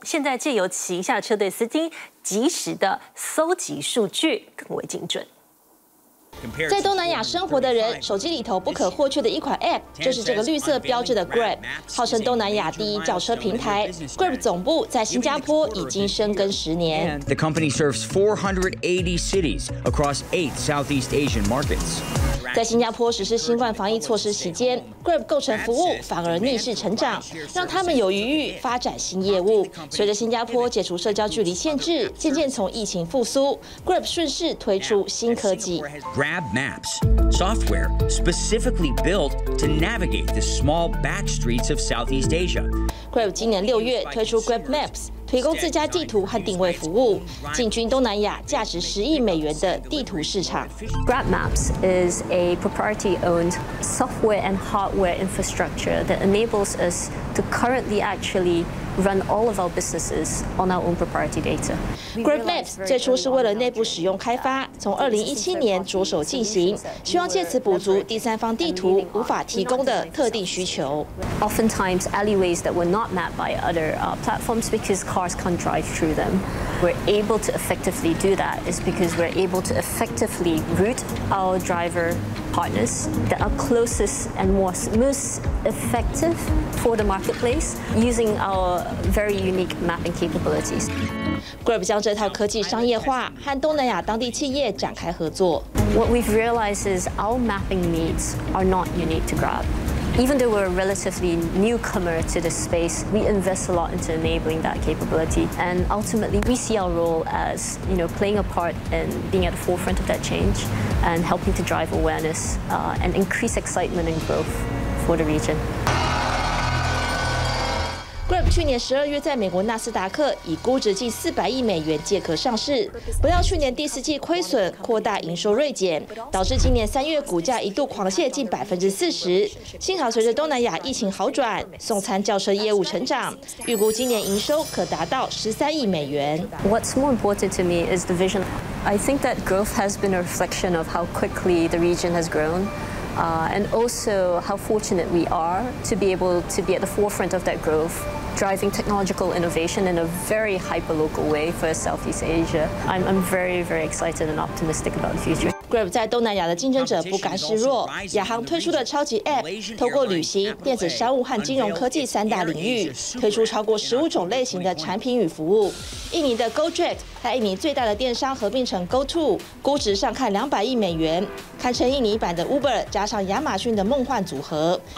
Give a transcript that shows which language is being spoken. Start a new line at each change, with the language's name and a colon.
Chinese: 现在借由旗下车队司机及时的搜集数据，更为精准。在东南亚生活的人手机里头不可或缺的一款 App， 就是这个绿色标志的 Grab， 号称东南亚第一轿车平台。 Grab 总部在新加坡已经深耕10年。
English: The company serves 480 cities across 8 Southeast Asian markets。
Chinese: 在新加坡实施新冠防疫措施期间， Grab 构成服务反而逆势成长，让他们有余裕发展新业务。随着新加坡解除社交距离限制，渐渐从疫情复苏， Grab 顺势推出新科技。
English: Grab Maps, software specifically built to navigate the small back streets of Southeast Asia.
Chinese: Grab 今年6月推出 Grab Maps， 提供自家地图和定位服务，进军东南亚价值10亿美元的地图市场。
English: Grab Maps is a proprietary-owned software and hardware infrastructure that enables us to currently actually. Run all of our businesses on our own proprietary data.
Chinese: Grab Maps 最初是为了内部使用开发，从2017年着手进行，希望借此补足第三方地图无法提供的特定需求。
English: Oftentimes alleyways that were not mapped by other platforms because cars can't drive through them. We're able to effectively do that is because we're able to effectively route our driver partners that are closest and most effective for the marketplace using our. Very unique mapping capabilities.
Chinese: Grab 将这套科技商业化，和东南亚当地企业展开合作。
English: What we've realized is our mapping needs are not unique to Grab. Even though we're a relatively newcomer to the space, we invest a lot into enabling that capability. And ultimately, we see our role as, you know, playing a part in being at the forefront of that change and helping to drive awareness, and increase excitement and growth for the region.
Chinese: Grab 去年12月在美国纳斯达克以估值近400亿美元借壳上市，不料去年第四季亏损扩大，营收锐减，导致今年3月股价一度狂泻近40%。幸好随着东南亚疫情好转，送餐轿车业务成长，预估今年营收可达到13亿美元。
English: What's more important to me is the vision. I think that growth has been a reflection of how quickly the region has grown. And also how fortunate we are to be able to be at the forefront of that growth, driving technological innovation in a very hyper-local way for Southeast Asia. I'm very, very excited and optimistic about the future.
Chinese: Grab 在东南亚的竞争者不甘示弱，亚航推出的超级 App， 透过旅行、电子商务和金融科技三大领域，推出超过15种类型的产品与服务。印尼的 GoJet 和印尼最大的电商合并成 GoTo， 估值上看200亿美元，堪称印尼版的 Uber 加上亚马逊的梦幻组合。